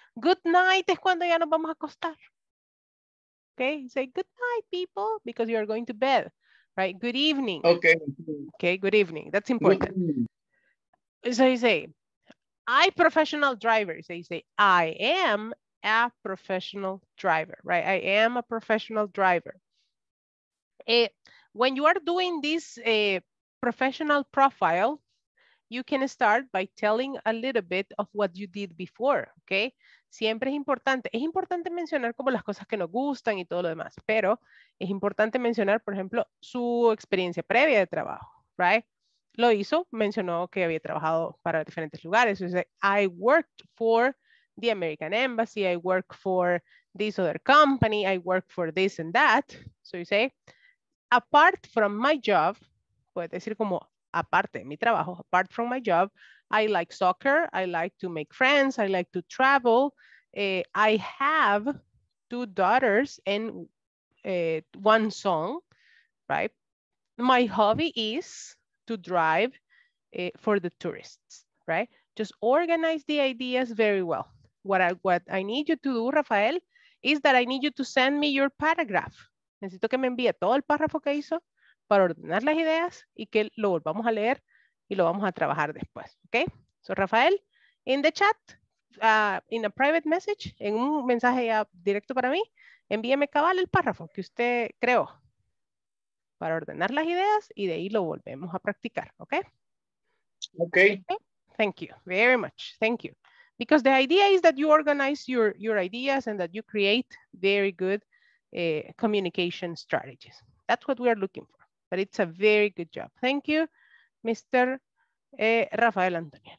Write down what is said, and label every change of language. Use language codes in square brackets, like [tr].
[en] Good night [es] es cuando ya nos vamos a acostar. [en] Okay, say good night people because you are going to bed, right? Good evening. Okay. Okay, good evening, that's important. So you say, I professional driver, so you say, I am a professional driver, right? I am a professional driver. When you are doing this professional profile, you can start by telling a little bit of what you did before, okay? [es] Siempre es importante mencionar como las cosas que nos gustan y todo lo demás, pero es importante mencionar, por ejemplo, su experiencia previa de trabajo, right? Lo hizo, mencionó que había trabajado para diferentes lugares. [en] So, I worked for the American Embassy, I work for this other company, I work for this and that. So you say, apart from my job, [es] puedes decir como aparte de mi trabajo, [en] apart from my job, I like soccer, I like to make friends, I like to travel. I have two daughters and one son, right? My hobby is to drive for the tourists, right? Just organize the ideas very well. What I need you to do, Rafael, is that I need you to send me your paragraph. [es] Necesito que me envíe todo el párrafo que hizo para ordenar las ideas y que lo volvamos a leer y lo vamos a trabajar después, okay? [en] So, Rafael, in the chat, in a private message, [es] en un mensaje ya directo para mí, envíeme cabal el párrafo que usted creó para ordenar las ideas y de ahí lo volvemos a practicar, okay? [en] Okay. Thank you very much. Thank you. Because the idea is that you organize your ideas and that you create very good communication strategies. That's what we are looking for. But it's a very good job. Thank you, Mr. Rafael Antonio.